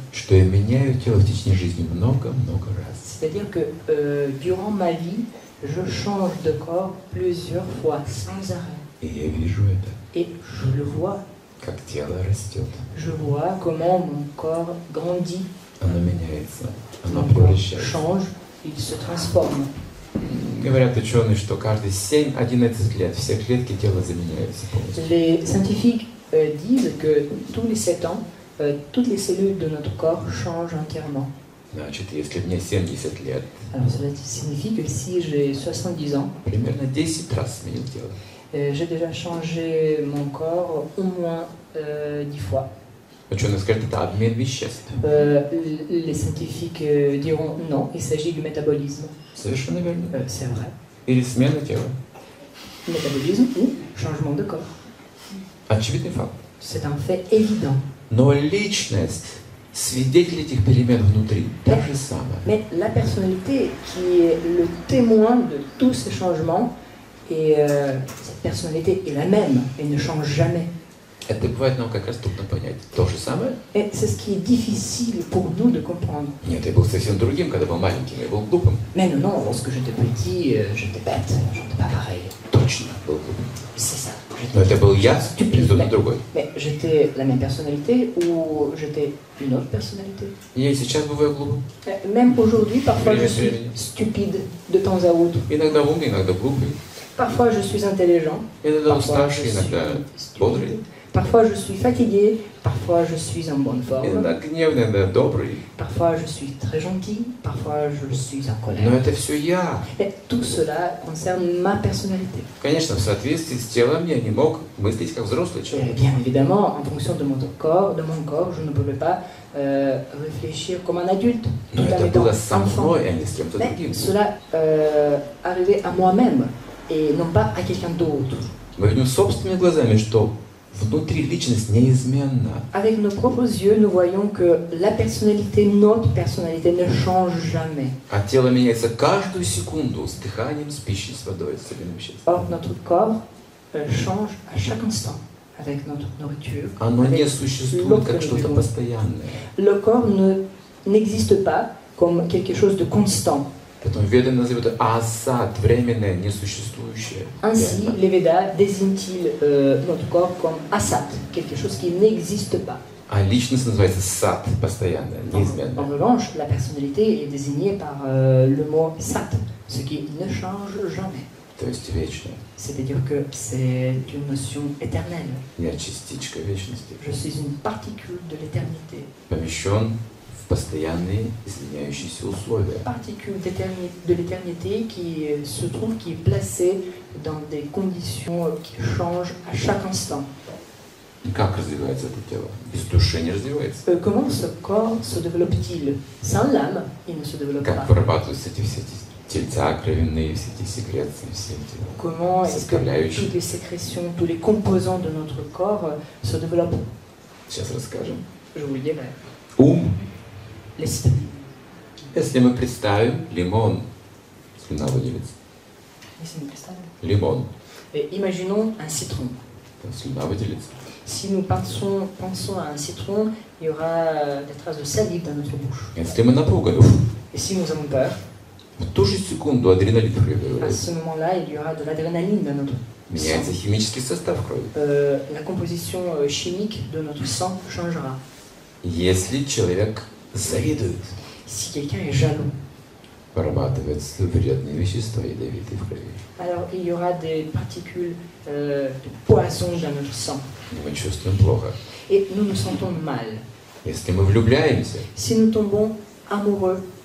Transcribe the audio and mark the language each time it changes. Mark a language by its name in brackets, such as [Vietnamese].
[Russian] Что я меняю тело в течение жизни много-много раз. [French] C'est-à-dire que durant ma vie, je change de corps plusieurs fois, sans arrêt. [Russian] И я вижу это. [French] Et je le vois. [Russian] Как тело растет. [French] Je vois comment mon corps grandit. [Russian] Оно меняется. Оно превращается. [French] Change, il se transforme. [Russian] Говорят ученые, что каждые 7-11 лет все клетки тела заменяются полностью. [French] Les scientifiques disent que tous les 7 ans, toutes les cellules de notre corps changent entièrement. [Russian] Значит, если мне 70 лет, [French] alors cela signifie que si j'ai 70 ans, [Russian] примерно 10 раз сменил тело. [French] J'ai déjà changé mon corps au moins 10 fois. [Russian] Ученые скажут, это обмен веществ. [French] Les scientifiques diront non, il s'agit du métabolisme. [Russian] Совершенно верно. [French] C'est vrai. [Russian] Или смена тела. [French] Métabolisme ou changement de corps. [Russian] Очевидный факт. [French] C'est un fait évident. [Russian] Но личность, свидетель этих перемен внутри, та же самая. [French] Mais la personnalité qui est le témoin de tous ces changements, et cette personnalité est la même, elle ne change jamais. [Russian] Это бывает нам как раз трудно понять. То же самое? [French] Et c'est ce qui est difficile pour nous de comprendre. [Russian] Нет, я был совсем другим, когда был маленьким, я был глупым. [French] Mais non, lorsque j'étais petit, j'étais bête, j'étais pas pareil. [Russian] Точно, был глупым. [French] C'est ça. [Russian] Но это был я, призванный другой. [French] Mais j'étais la même personnalité ou j'étais une autre personnalité? [Russian] Я и сейчас бываю глупым. [French] Même aujourd'hui, parfois je suis stupide de temps à autre. [Russian] Иногда умный, иногда глупый. [French] Parfois je suis intelligent. [Russian] Иногда уставший, иногда бодрый. [French] Parfois je suis fatigué, parfois je suis en bonne forme. [Russian] Иногда гневный, иногда добрый. [French] Parfois je suis très gentil, parfois je suis en colère. [Russian] Но это все я. [French] Et tout cela concerne ma personnalité. [Russian] Конечно, в соответствии с телом я не мог мыслить как взрослый человек. [French] Bien évidemment, en fonction de mon corps, je ne pouvais pas réfléchir comme un adulte. [Russian] Но это было со мной, а не с кем-то другим. [French] Mais cela arrivait à moi-même et non pas à quelqu'un d'autre. [Russian] Мы видим собственными глазами, что внутри личность неизменна. [French] Avec nos propres yeux, nous voyons que la personnalité, notre personnalité, ne change jamais. [Russian] А тело меняется каждую секунду с дыханием, с пищей, с водой, с обменом веществ. [French] Or, notre corps change à chaque instant avec notre nourriture. [Russian] Оно не существует как что-то постоянное. [French] Le corps n'existe pas comme quelque chose de constant. [Russian] Поэтому веды называют асад, временное, несуществующее. [French] Ainsi, les Védas désignent-ils notre corps comme асад, quelque chose qui n'existe pas. [Russian] А личность называется сад, постоянное, неизменное. [French] En revanche, la personnalité est désignée par le mot сад, ce qui ne change jamais. [Russian] То есть вечное. [French] C'est-à-dire que c'est une notion éternelle. [Russian] Я частичка вечности. [French] Je suis une particule de l'éternité. [Russian] Помещен в постоянные изменяющиеся условия. [French] Particule de l'éternité qui se trouve, qui est placée dans des conditions qui changent à chaque instant. [Russian] И как развивается это тело? Без души не развивается. [French] Comment ce corps se développe-t-il? Sans l'âme, il ne se développe [Russian] pas. Как вырабатываются эти все тельца, кровяные, все эти секреции, все эти [French] Comment составляющие? Comment est-ce que toutes les sécrétions, tous les composants de notre corps se développent? [Russian] Сейчас расскажем. [French] Je vous le dirai. [Russian] Ум. [French] L'esprit. [Russian] Если мы представим лимон, слюна выделится. Если мы представим. Лимон. [French] Imaginons un citron. [Russian] Слюна выделится. [French] Si nous pensons à un citron, il y aura des traces de salive dans notre bouche. [Russian] Если мы напуганы, [French] et si nous avons peur, [Russian] в ту же секунду адреналин прибывает. [French] À ce moment-là, il y aura de l'adrénaline dans notre sang. [Russian] Меняется химический состав крови. [French] La composition chimique de notre sang changera. [Russian] Если человек завидует, [French] si quelqu'un est jaloux, [Russian] вырабатываются вредные вещества ядовитые в крови. [French] Alors, il y aura des particules de poison dans notre sang. [Russian] Мы чувствуем плохо. [French] Et nous nous sentons mal. [Russian] Если мы влюбляемся, [French] si nous tombons amoureux,